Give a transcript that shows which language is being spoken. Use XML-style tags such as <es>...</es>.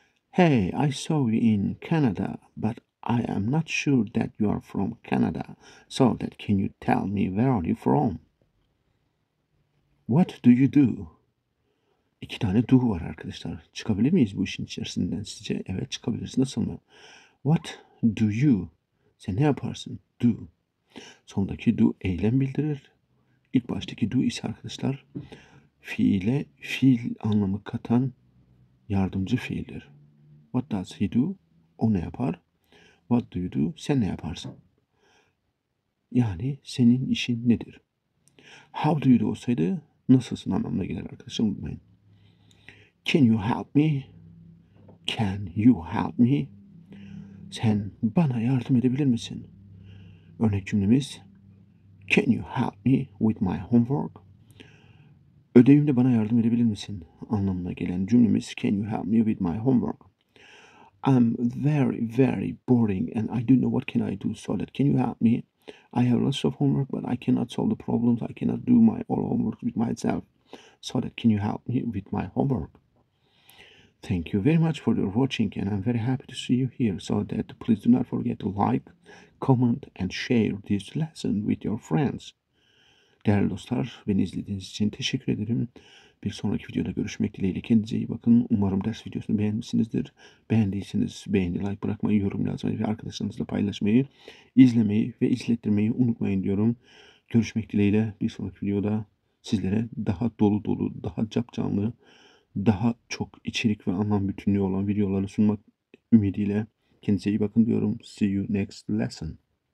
<en>Hey, I saw you in Canada, but I am not sure that you are from Canada. So that can you tell me where are you from? What do you do?</en> <tr>İki tane do var arkadaşlar. Çıkabilir miyiz bu işin içerisinden sizce? Evet, çıkabiliriz. Nasıl mı?</tr> <en>What do you?</en> <tr>Sen ne yaparsın? Do. Sondaki do eylem bildirir. İlk baştaki do ise arkadaşlar fiile fiil anlamı katan yardımcı fiildir.</tr> <en>What does he do?</en> <tr>O ne yapar?</tr> <en>What do you do?</en> <tr>Sen ne yaparsın? Yani senin işin nedir?</tr> <en>How do you do</en> <tr>olsaydı nasılsın anlamına gelir arkadaşlar unutmayın.</tr> <en>Can you help me? Can you help me?</en> <tr>Sen bana yardım edebilir misin? Örnek cümlemiz</tr> <en>Can you help me with my homework?</en> <tr>Ödevimde bana yardım edebilir misin? Anlamına gelen cümlemiz</tr> <en>Can you help me with my homework? I'm very very boring and I don't know what can I do so that can you help me? I have lots of homework but I cannot solve the problems. I cannot do my all homework with myself. So that can you help me with my homework? Thank you very much for your watching and I'm very happy to see you here. So that please do not forget to like, comment and share this lesson with your friends.</en> <tr>Değerli dostlar, beni izlediğiniz için teşekkür ederim. Bir sonraki videoda görüşmek dileğiyle kendinize iyi bakın. Umarım ders videosunu beğenmişsinizdir. Beğendiyseniz beğeni, like bırakmayı, yorum yazmayı ve arkadaşlarınızla paylaşmayı, izlemeyi ve izlettirmeyi unutmayın diyorum. Görüşmek dileğiyle bir sonraki videoda sizlere daha dolu dolu, daha capcanlı, daha çok içerik ve anlam bütünlüğü olan videoları sunmak ümidiyle kendinize iyi bakın diyorum.</tr> <en>See you next lesson.</en>